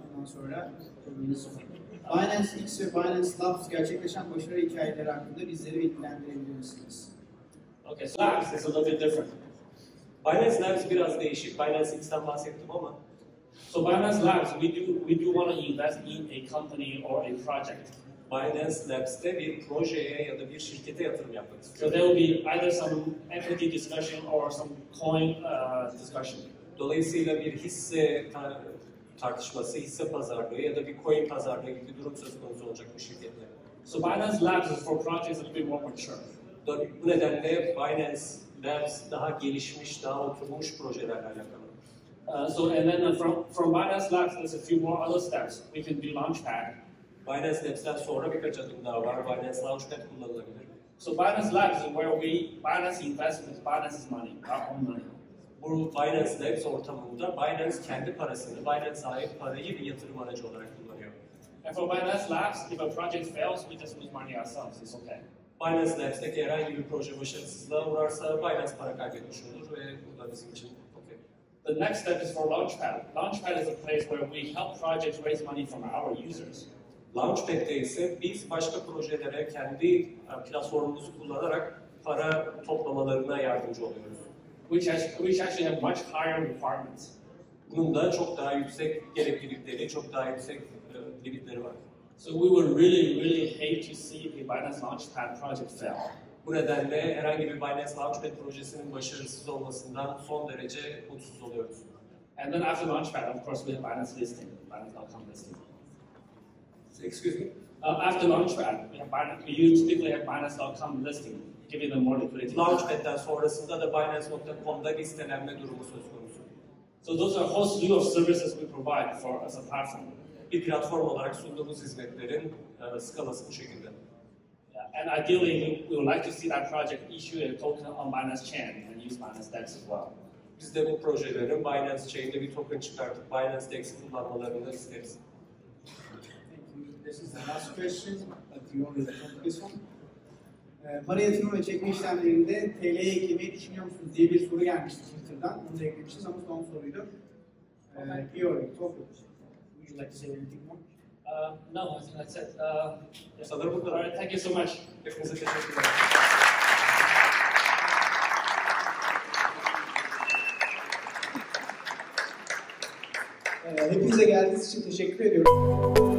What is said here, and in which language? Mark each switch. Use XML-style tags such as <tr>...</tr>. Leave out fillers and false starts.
<tr>yaptıktan sonra kurduğunuz Binance X ve Binance Labs gerçekleşen başarı hikayeleri hakkında bizleri bilgilendirebilir misiniz?</tr> <en>Okay, so Labs is a little bit different.</en> <tr>Binance Labs biraz değişik. Binance X'ten bahsettim ama.</tr> <en>So Binance Labs, we do want to invest in a company or a project.</en> <tr>Binance Labs'te bir projeye ya da bir şirkete yatırım yapmak istiyoruz.</tr> <en>So there will be either some equity discussion or some coin discussion.</en> <tr>Dolayısıyla bir hisse tartışması, hisse pazarlığı ya da bir coin pazarlığı gibi durum söz konusu olacak bu şirketle.</tr> <en>So Binance Labs is for projects a little bit more mature.</en> <tr>Bu nedenle Binance Labs daha gelişmiş, daha oturmuş projelerle alakalı.</tr> <en>So and then from Binance Labs there's a few more other steps. We can be launchpad.</en> <tr>Binance Labs'ten sonra birkaç adım daha var. Binance Launchpad kullanılabilir.</tr> <en>So Binance Labs is where we, Binance investments, Binance's money, our own money.</en> <tr>Bu Binance Labs ortamında Binance kendi parasını, Binance sahip parayı bir yatırım aracı olarak kullanıyor.</tr> <en>And for Binance Labs, if a project fails, we just lose money ourselves, it's okay.</en> <tr>Binance Labs'teki herhangi bir proje başarısızlığa uğrarsa Binance para kaybetmiş olur ve bu da bizim için okay.</tr> <en>The next step is for Launchpad. Launchpad is a place where we help projects raise money from our users.</en> <tr>Launchpad'de ise biz başka projelere kendi platformumuzu kullanarak para toplamalarına yardımcı oluyoruz.</tr> <en>Which actually have much higher requirements.</en> <tr>Bunun da çok daha yüksek gereklilikleri, çok daha yüksek limitleri var.</tr> <en>So we would really, really hate to see the Binance Launchpad project fail.</en> <tr>Bu nedenle herhangi bir Binance Launchpad projesinin başarısız olmasından son derece mutsuz oluyoruz.</tr> <en>And then after Launchpad, of course, we have Binance listing, Binance.com listing. Excuse me. After Launchpad, we typically have Binance.com listing, giving them more liquidity.</en> <tr>Launchpad'den sonrasında da Binance.com'da listelenme durumu söz konusu.</tr> <en>So those are a whole slew of services we provide for as a platform.</en> <tr>Bir platform olarak sunduğumuz hizmetlerin skalası bu şekilde.</tr> <en>Yeah. And ideally, we would like to see that project issue a token on Binance Chain and use Binance Dex as well.</en> <tr>Biz de bu projelerin Binance Chain'de bir token çıkartıp Binance Dex kullanmalarını isteriz.</tr> <en>This is the last question, but the only one. This one.</en> <tr>Para yatırımı ve çekme işlemlerinde TL'ye eklemeyi düşünüyor musunuz diye bir soru gelmişti Twitter'dan. Bunu da eklemişiz ama son soruydu.</tr> <en>Georgi, talk about it. Would you like to say anything more? No, I think that's it. Yes, I'll put it. Alright, thank you so much.</en> <tr>Hepinize teşekkür ederim. Hepinize geldiğiniz için teşekkür ediyorum.</tr>